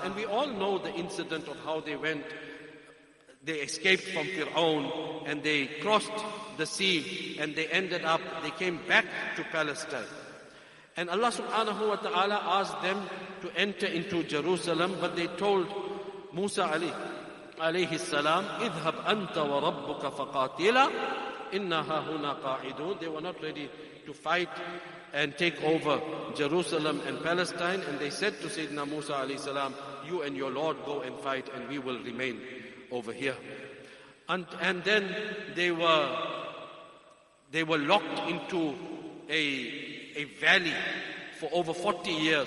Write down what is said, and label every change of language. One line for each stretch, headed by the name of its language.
English: And we all know the incident of how they went. They escaped from Fir'aun and they crossed the sea and they ended up, they came back to Palestine. And Allah subhanahu wa ta'ala asked them to enter into Jerusalem, but they told
Arabic: موسى عليه السلام اذهب انت وربك فقاتلا انها هنا قاعدون.
English: They were not ready to fight and take over Jerusalem and Palestine, and they said to Sayyidina Musa alayhi salam, you and your Lord go and fight and we will remain over here. And then they were locked into a valley for over 40 years.